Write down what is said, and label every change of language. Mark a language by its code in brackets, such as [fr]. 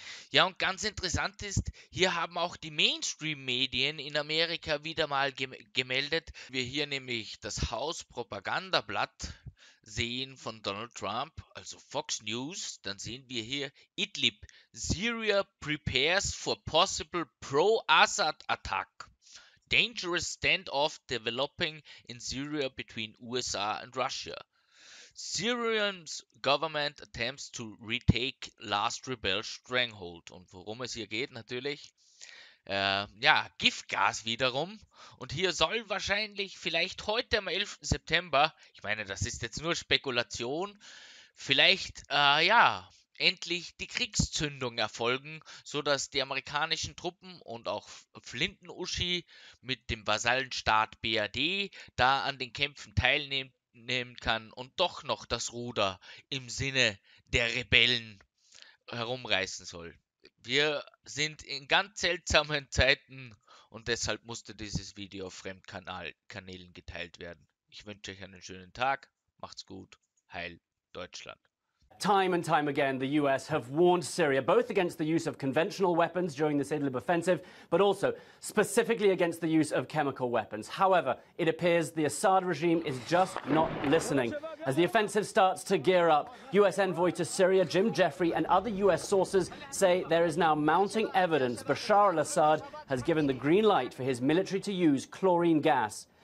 [de] Ja, und ganz interessant ist, hier haben auch die Mainstream-Medien in Amerika wieder mal gemeldet, wir hier nämlich das Haus-Propagandablatt sehen von Donald Trump, also Fox News, dann sehen wir hier [en] Idlib, Syria prepares for possible pro-Assad attack. Dangerous standoff developing in Syria between USA and Russia. Syrian's government attempts to retake last rebel stronghold. [de] Und worum es hier geht natürlich, Giftgas wiederum. Und hier soll wahrscheinlich vielleicht heute am 11. September, ich meine, das ist jetzt nur Spekulation, vielleicht, endlich die Kriegszündung erfolgen, sodass die amerikanischen Truppen und auch Flinten-Uschi mit dem Vasallenstaat BRD da an den Kämpfen teilnehmen kann und doch noch das Ruder im Sinne der Rebellen herumreißen soll. Wir sind in ganz seltsamen Zeiten und deshalb musste dieses Video auf Fremdkanälen geteilt werden. Ich wünsche euch einen schönen Tag. Macht's gut. Heil Deutschland. [en] Time and time again, the US have warned Syria both against the use of conventional weapons during this Idlib offensive, but also specifically against the use of chemical weapons. However, it appears the Assad regime is just not listening. As the offensive starts to gear up, US envoy to Syria Jim Jeffrey and other US sources say there is now mounting evidence Bashar al-Assad has given the green light for his military to use chlorine gas.